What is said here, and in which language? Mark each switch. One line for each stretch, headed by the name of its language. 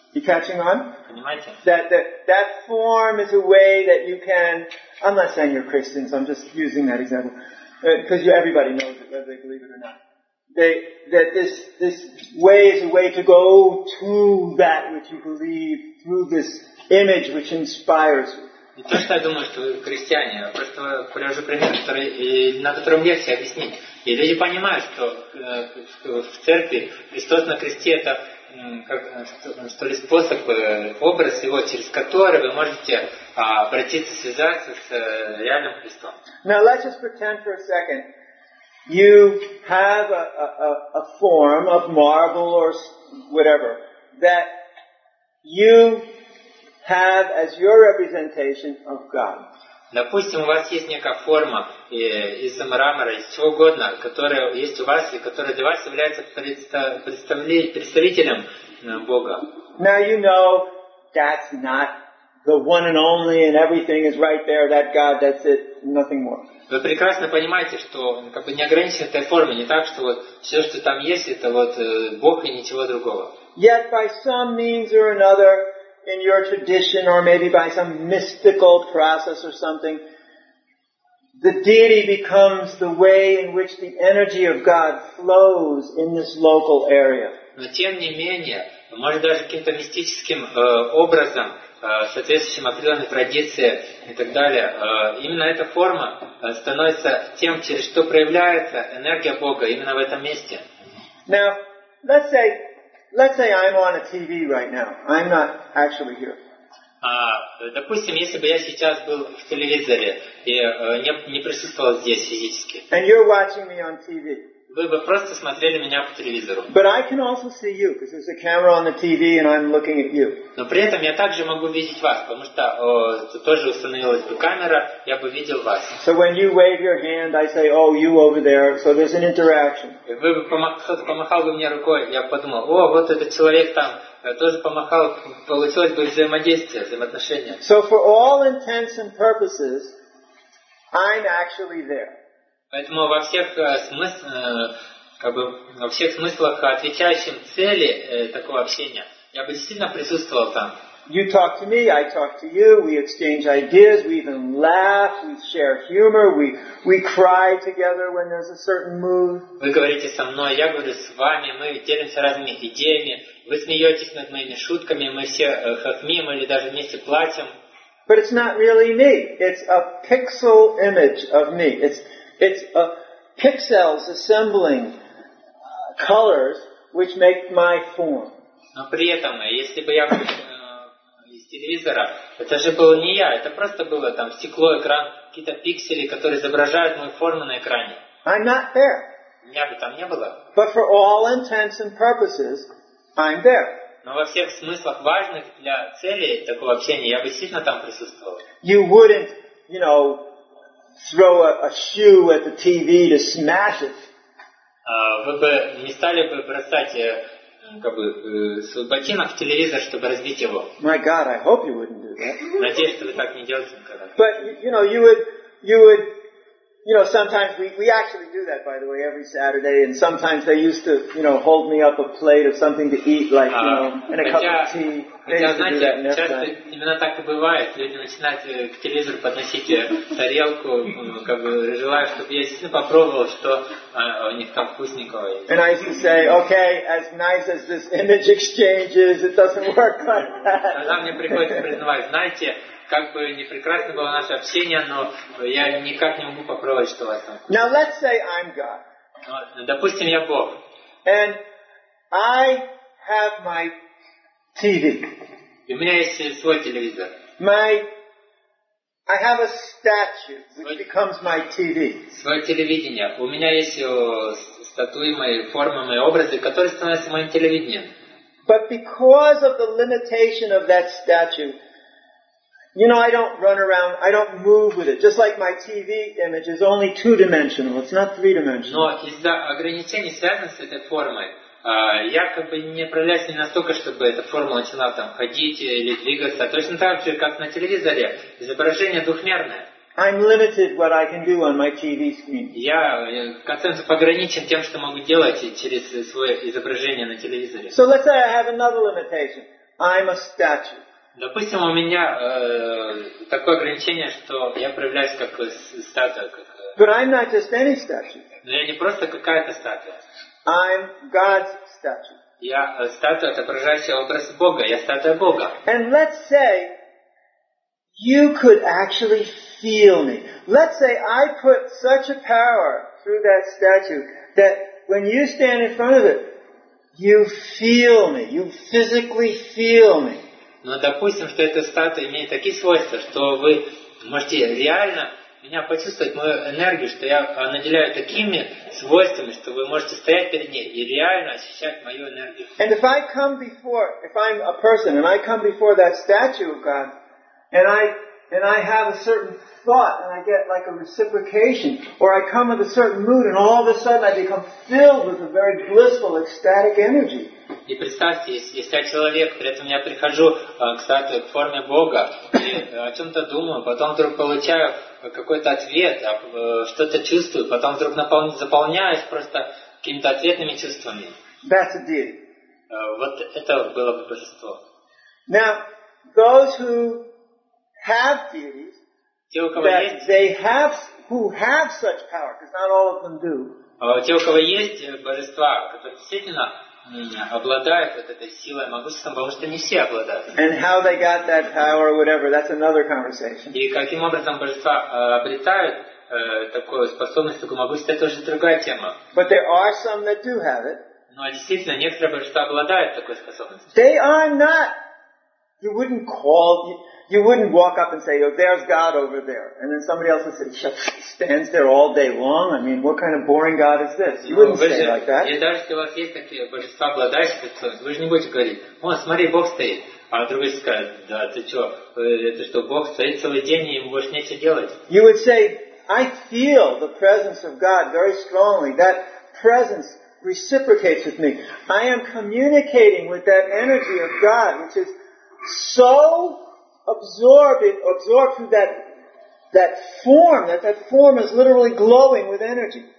English: You catching on?
Russian: Понимаете?
English: That form is a way that you can. I'm not saying you're Christians. I'm just using that example because everybody knows it, whether they believe it or not. This way is a way to go to that which you believe through this image which inspires you.
Russian: Не то, что я думаю, что вы христиане, а просто привожу пример, который, на котором легче объяснить. И люди понимают, что в церкви Христос на кресте это как, что ли, способ, образ его, через который вы можете обратиться, связаться с реальным Христом.
English: Now let's just pretend for a second. You have a form of marble or whatever that you have as your representation of God.
Russian: Допустим, у вас есть некая форма из мрамора, из чего угодно, которая есть у вас и которая для вас является представителем Бога.
English: Now you know that's not the one and only, and everything is right there. That God, that's it, nothing more.
Russian: Вы прекрасно понимаете, что как бы не ограничена эта форма, не так, что вот все, что там есть, это вот Бог и ничего другого.
English: Yet by some means or another, in your tradition, or maybe by some mystical process or something, the deity becomes the way in which the energy of God flows in this local area.
Russian: Но тем не менее, может даже каким-то мистическим образом, соответствующим определенной традиции и так далее, именно эта форма становится тем, через что проявляется энергия Бога именно в этом месте.
English: Now, let's say I'm on a TV right now. I'm not actually here.
Russian: Допустим, если бы я сейчас был в телевизоре и не присутствовал здесь физически.
English: And you're watching me on TV.
Russian: Вы бы просто смотрели меня по телевизору.
English: But I can also see you because there's a camera on the TV and I'm looking at you.
Russian: Но при этом я также могу видеть вас, потому что тоже установилась бы камера, я бы видел вас.
English: So when you wave your hand, I say, oh, you over there. So there's an interaction.
Russian: Вы бы помахал бы мне рукой, я подумал, о, вот этот человек там тоже помахал, получилось бы взаимодействие, взаимоотношения.
English: So for all intents and purposes, I'm actually there.
Russian: Поэтому во всех смыслах, как бы во всех смыслах, отвечающим цели такого общения, я бы действительно присутствовал там.
English: You talk to me, I talk to you, we exchange ideas, we even laugh, we share humor, we cry together when there's a certain mood.
Russian: Вы говорите со мной, я говорю с вами, мы делимся разными идеями, вы смеетесь над моими шутками, мы все хохмим или даже вместе плачем.
English: But it's not really me. It's a pixel image of me. It's a pixels assembling colors which make my form.
Russian: Но при этом, если бы я из телевизора, это же было не я, это просто было там стекло, экран, какие-то пиксели, которые изображают мою форму на экране.
English: I'm not there.
Russian: Меня бы там не было.
English: But for all intents and purposes, I'm there.
Russian: Но во всех смыслах важных для цели такого общения я бы действительно там присутствовал.
English: You wouldn't, you know, throw a shoe at the TV to smash it.
Russian: Вы бы не стали бы бросать как бы свой ботинок в телевизор, чтобы разбить его.
English: My God, I hope you wouldn't do that.
Russian: Надеюсь, что вы так не делаете никогда.
English: But you know, you would, you know, sometimes we actually do that, by the way, every Saturday, and sometimes they used to, you know, hold me up a plate of something to eat, like, you know, and a cup of tea.
Russian: Хотя, знаете, часто именно так и бывает. Люди начинают к телевизору подносить тарелку, как бы желая, чтобы я действительно попробовал, что у них там вкусненького.
English: And I used to say, okay, as nice as this image exchange is, it doesn't work like that.
Russian: Тогда мне приходится признавать, знаете, как бы не прекрасно было наше общение, но я никак не могу попробовать, что у вас там.
English: Now let's say I'm God.
Russian: Допустим, я Бог.
English: And I have my TV.
Russian: И у меня есть свой телевизор.
English: I have a statue which becomes my TV.
Russian: Свое телевидение. У меня есть статуи, мои формы, мои образы, которые становятся моим телевидением.
English: But because of the limitation of that statue, you know, I don't run around, I don't move with it. Just like my TV image is only two-dimensional, it's not three-dimensional.
Russian: Но из-за ограничений, связанных с этой формой, я как бы не проявляюсь не настолько, чтобы эта форма начала там ходить или двигаться. Точно так же, как на телевизоре, изображение двухмерное.
English: I'm limited what I can do on my TV screen.
Russian: Я концентрируюсь ограничен тем, что могу делать через свое изображение на телевизоре.
English: So let's say I have another limitation. I'm a statue.
Russian: Допустим, у меня такое ограничение, что я проявляюсь как статуя.
English: But I'm not just any statue.
Russian: Но я не просто какая-то статуя.
English: I'm God's statue.
Russian: Я статуя, отображающая образ Бога. Я статуя Бога.
English: And let's say you could actually feel me. Let's say I put such a power through that statue that when you stand in front of it, you feel me. You physically feel me.
Russian: Но допустим, что эта статуя имеет такие свойства, что вы можете реально меня почувствовать, мою энергию, что я наделяю такими свойствами, что вы можете стоять перед ней и реально ощущать мою энергию.
English: And if I come before, if I'm a person and I come before that statue of God, and I have a certain thought and I get like a reciprocation, or I come with a certain mood and all of a sudden I become filled with a very blissful, ecstatic energy.
Russian: И представьте, если я человек, при этом я прихожу к статуе в форме Бога, о чем-то думаю, потом вдруг получаю какой-то ответ, что-то чувствую, потом вдруг заполняюсь просто какими-то ответными чувствами.
English: That's a deity.
Russian: Вот это было бы божество.
English: Now, those who have deities,
Russian: те, у кого
English: that
Russian: есть,
English: they have, who have such power, because not all of them do.
Russian: Те, у кого есть божества, которые действительно обладают вот этой силой, могуществом, потому что не все обладают.
English: And how they got that power or whatever, that's another conversation.
Russian: И каким образом божества обретают такую способность, такую могущество, это уже другая тема.
English: But there are some that do have it.
Russian: Но действительно, некоторые божества обладают такой способностью.
English: They are not. You wouldn't call. You wouldn't walk up and say, "Oh, there's God over there," and then somebody else would say, "He stands there all day long. I mean, what kind of boring God is this?" You wouldn't say like that.
Russian: И даже если у вас есть такие божества, обладающие такой, вы же не будете говорить: "О, смотри, Бог стоит." А другой скажет: "Да, ты что? Это что, Бог стоит целый день и ему больше нечего делать?"
English: You would say, "I feel the presence of God very strongly. That presence reciprocates with me. I am communicating with that energy of God, which is so." Absorbed through that form is literally glowing with energy.